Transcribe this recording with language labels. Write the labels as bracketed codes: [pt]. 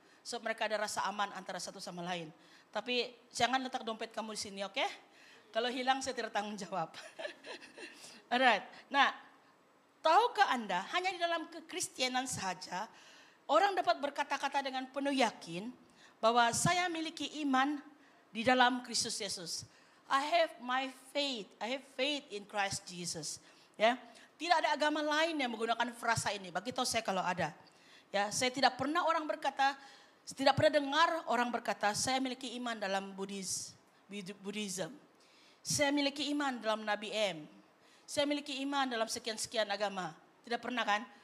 [ms] So mereka ada rasa aman antara satu sama lain. Tapi jangan letak dompet kamu di sini, oke? Kalau hilang saya tidak tanggung jawab. Alright. Nah, tahukah Anda hanya di dalam kekristenan saja orang dapat berkata-kata dengan penuh yakin bahwa saya miliki iman di dalam Kristus Yesus. [en] I have faith in Christ Jesus. [ms] Ya. Tidak ada agama lain yang menggunakan frasa ini. Bagi tahu saya kalau ada. Ya, saya tidak pernah orang berkata, tidak pernah dengar orang berkata saya miliki iman dalam Buddhism. Saya miliki iman dalam Nabi M. Saya miliki iman dalam sekian-sekian agama. Tidak pernah kan?